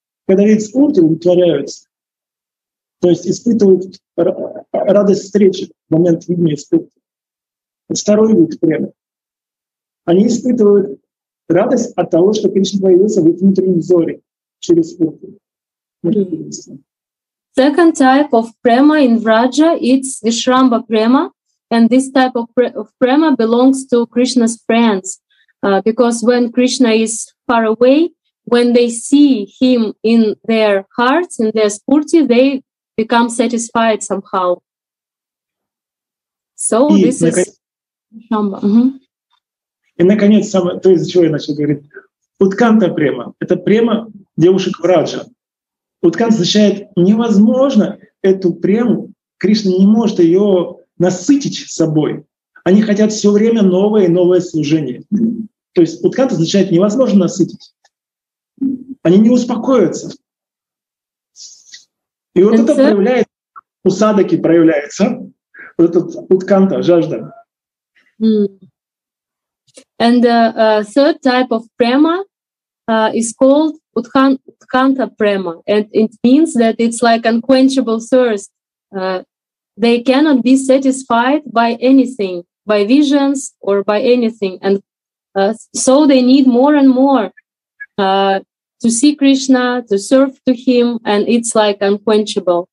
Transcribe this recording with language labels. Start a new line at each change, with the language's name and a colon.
Russian: Когда видят спурти, удовлетворяются. То есть испытывают радость встречи в момент видения спурти. Второй вид према. Они испытывают радость от того, что Кришна появился в их внутреннем взоре через спурти.
English: Second type of prema in Vraja is Vishramba prema, and this type of prema belongs to Krishna's friends, because when Krishna is far away, when they see him in their hearts, in their spurti, they become satisfied somehow. So
Russian: и
English: this
Russian: И наконец самое, то из-за чего я начал говорить, утканта према. Это према девушек Враджа. Утканта означает невозможно эту прему. Кришна не может ее насытить собой. Они хотят все время новое и новое служение. То есть утканта означает невозможно насытить. Они не успокоятся. И вот это проявляется, у садаки проявляется, вот этот утканта, жажда.
English: And the third type of prema is called utkanta prema, and it means that it's like unquenchable thirst. They cannot be satisfied by anything, by visions or by anything, and so they need more and more to see Krishna, to serve to him, and it's like unquenchable.